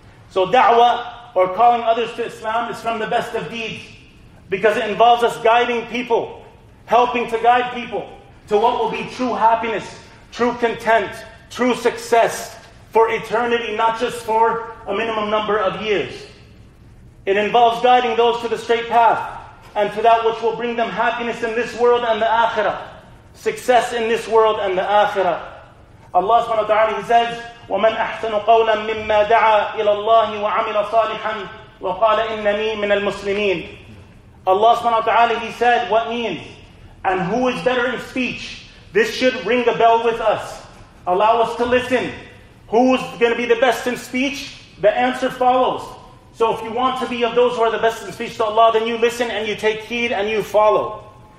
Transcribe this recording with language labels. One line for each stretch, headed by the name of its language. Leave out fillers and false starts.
English: So da'wah, or calling others to Islam, is from the best of deeds, because it involves us guiding people, helping to guide people to what will be true happiness, true content, true success for eternity, not just for a minimum number of years. It involves guiding those to the straight path and to that which will bring them happiness in this world and the Akhirah. Success in this world and the Akhirah.
Arabic: Allah subhanahu wa ta'ala,
English: He says,
Arabic: وَمَنْ أَحْسَنُ قَوْلًا مِمَّا دَعَى إِلَى اللَّهِ وَعَمِلَ صَالِحًا وَقَالَ إِنَّنِي مِنَ الْمُسْلِمِينَ.
English: Allah subhanahu wa ta'ala, He said, what means? And who is better in speech? This should ring a bell with us. Allow us to listen. Who's going to be the best in speech? The answer follows. So if you want to be of those who are the best in speech to Allah, then you listen and you take heed and you follow.